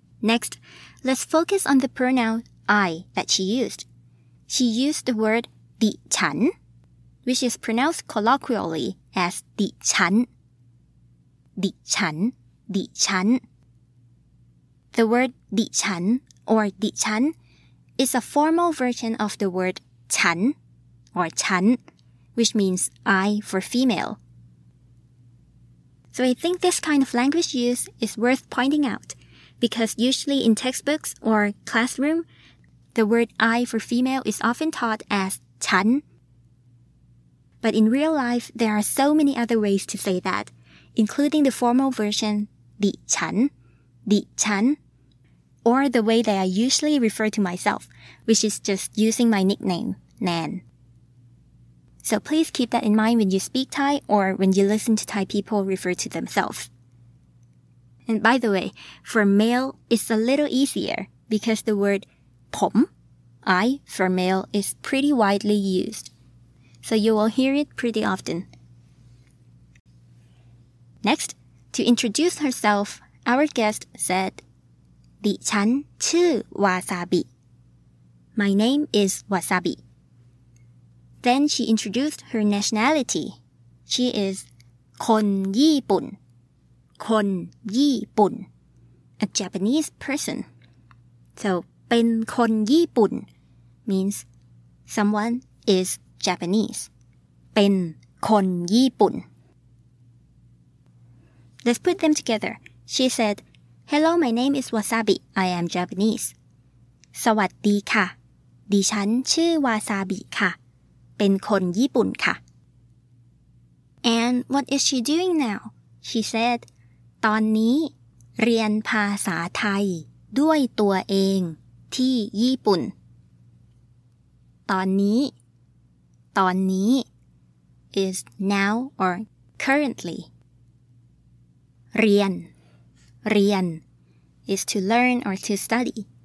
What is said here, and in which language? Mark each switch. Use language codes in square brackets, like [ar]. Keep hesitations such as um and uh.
[en] Next let's focus on the pronoun I that she used she used the word ดิฉัน which is pronounced colloquially as ดิฉัน ดิฉัน ดิฉัน The word ดิฉัน or ดิฉัน is a formal version of the word ฉัน or ฉัน which means I for female. So I think this kind of language use is worth pointing out because usually in textbooks or classroom, the word I for female is often taught as ฉัน but in real life, there are so many other ways to say that, including the formal version, di chan, di chan, or the way that I usually refer to myself, which is just using my nickname, Nan. So please keep that in mind when you speak Thai or when you listen to Thai people refer to themselves. And by the way, for male, it's a little easier because the word pom, I for male, is pretty widely used so you will hear it pretty often. Next, to introduce herself, our guest said, [th] ดิฉันชื่อวาซาบิ [en] My name is Wasabi. Then she introduced her nationality. She is คนญี่ปุ่นคนญี่ปุ่น a Japanese person. So เป็นคนญี่ปุ่น means someone is Japanese. เป็นคนญี่ปุ่น Let's put them together. She said, "Hello, my name is Wasabi. I am Japanese." [th] สวัสดีค่ะ ดิฉันชื่อวาซาบิค่ะ เป็นคนญี่ปุ่นค่ะ [en] And what is she doing now? She said, [th] ตอนนี้ เรียนภาษาไทย ด้วยตัวเองที่ญี่ปุ่น [en] ตอนนี้ ตอนนี้ is now or currently เรียน เรียน is to learn or to study